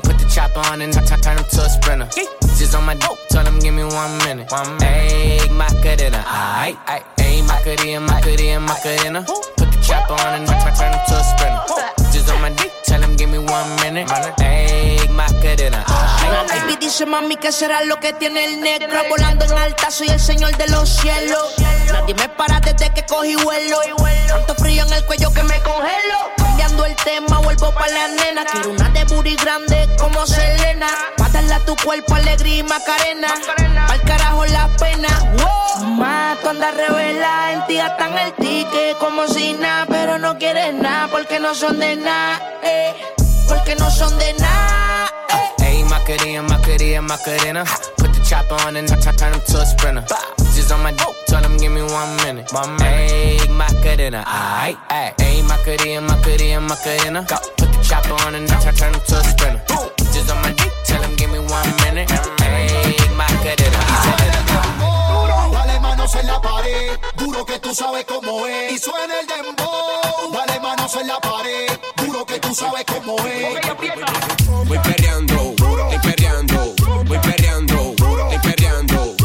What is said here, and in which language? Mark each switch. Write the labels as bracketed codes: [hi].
[en] Put the chopper on and turn him to a sprinter. Just on my dope, tell him give me 1 minute. Ayy, my cadena. Ayy, my cutie and my cutie and my cadena. Put the chopper on and turn him to a sprinter. Just on my dick, tell him give me 1 minute. Ayy, my cadena. [es] Baby, dice mami que será lo que tiene el negro. Volando en alta, soy el señor de los cielos. Nadie me para desde que cogí vuelo. Tanto frío en el cuello que me congelo. Cambiando el tema, vuelvo pa' la nena. Quiero una de booty grande como Selena. Pa' darle a tu cuerpo alegría y macarena. Pa'l carajo la pena. Mamá, tú andas revela. En ti gastan el ticket como si nada. Pero no quieres nada porque no son de nada. Porque no son de nada. Ey, macarena, macarena, macarena. [en] Put the chopper on and turn him to a sprinter. Just on my dope, tell him give me 1 minute. Ayy, my cadena, ayy. Ayy, my cadena, my cadena, my cadena. Put the chopper on and turn him to a sprinter. Just on my dick, tell him give me 1 minute. Ayy, my cadena, [es] duro, dale manos en la pared. Duro que tú sabes cómo es. Y suena el dembow. Dale manos en la pared. Duro que tú sabes cómo es. Voy perreando, estoy perreando. Voy perreando, estoy perreando.